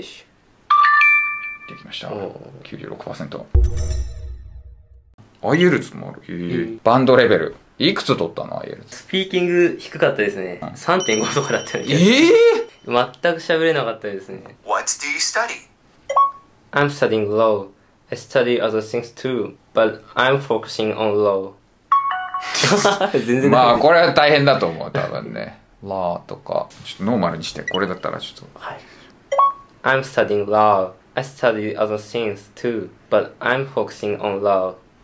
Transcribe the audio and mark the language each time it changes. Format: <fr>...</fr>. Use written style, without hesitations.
<ja>できました。96%。アイエルツもある。バンドレベル。いくつ取ったの、アイエルツ？スピーキング低かったですね。うん、3.5 とかだったり。全く喋れなかったですね。</ja> <en>What do you study? I'm studying law. I study other things too, but I'm focusing on law.</en> <ja>全然まあこれは大変だと思う、多分ね。law とか、ちょっとノーマルにして、これだったらちょっと。</ja> <en>はい。I'm studying law. I study other things too, but I'm focusing on law.</en>